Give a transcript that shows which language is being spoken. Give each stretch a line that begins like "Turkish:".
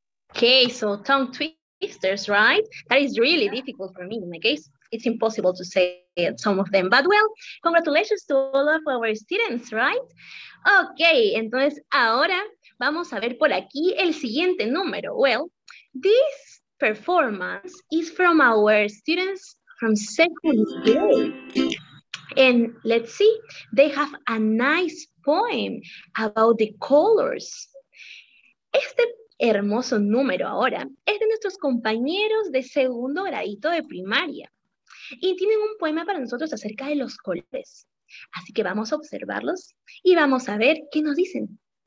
English: Okay, so tongue twisters, right? That is really difficult for me in my case. It's impossible to say some of them. But well, congratulations to all of our students, right?
Spanish: Ok, entonces ahora vamos a ver por aquí el siguiente número.
English: Well, this performance is from our students from second grade. And let's see, they have a nice poem about the colors.
Spanish: Este hermoso número ahora es de nuestros compañeros de segundo gradito de primaria. Y tienen un poema para nosotros acerca de los colores. Así que vamos a observarlos y vamos a ver qué nos dicen.